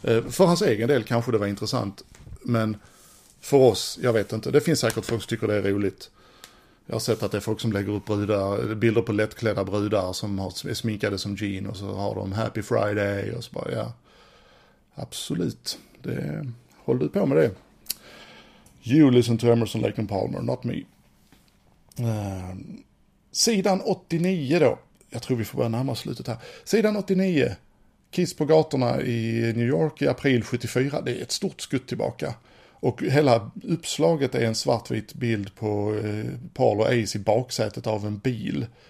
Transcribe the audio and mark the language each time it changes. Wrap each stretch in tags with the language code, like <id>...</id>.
<sv>För hans egen del kanske det var intressant, men för oss, jag vet inte. Det finns säkert folk som tycker det är roligt. Jag har sett att det är folk som lägger upp bilder på lättklädda brudar som är sminkade som jean, och så har de Happy Friday och så bara, ja. Absolut. Håll du på med det.</sv> <en>You listen to Emerson, Lake and Palmer, not me.</en> <sv>Sidan 89 då. Jag tror vi får börja närma slutet här. Sidan 89. Kiss på gatorna i New York i april 74. Det är ett stort skutt tillbaka. Och hela uppslaget är en svartvit bild på Paul och Ace i baksätet av en bil.</sv>